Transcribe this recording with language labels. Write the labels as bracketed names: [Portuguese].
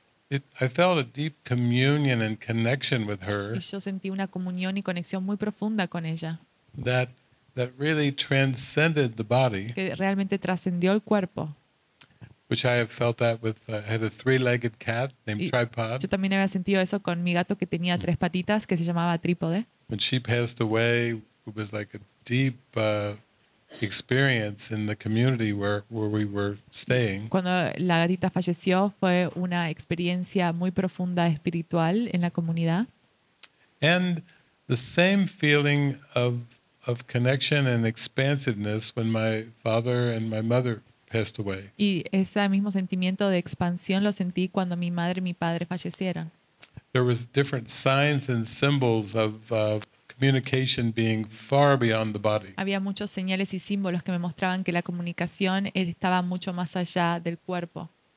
[English] I felt a deep communion and connection with her. [Spanish] Yo sentí una comunión y conexión muy profunda con ella. [English] That really transcended the body. [Spanish] Que realmente trascendió el cuerpo. [English] Which I have felt that with had a three-legged cat named Tripod. [Spanish] Yo también había sentido eso con mi gato que tenía tres patitas que se llamaba Trípode. [English] When she passed away, it was like a deep experience in the community where we were staying. [Spanish] Cuando la gatita falleció, fue una experiencia muy profunda espiritual en la comunidad. [English] And the same feeling of connection and expansiveness when my father and my mother. [Spanish] Y ese mismo sentimiento de expansión lo sentí cuando mi madre y mi padre fallecieron. [English] There was different signs and symbols of communication being far beyond the body. [Spanish] Había muchos señales y símbolos que me mostraban que la comunicación estaba mucho más allá del cuerpo.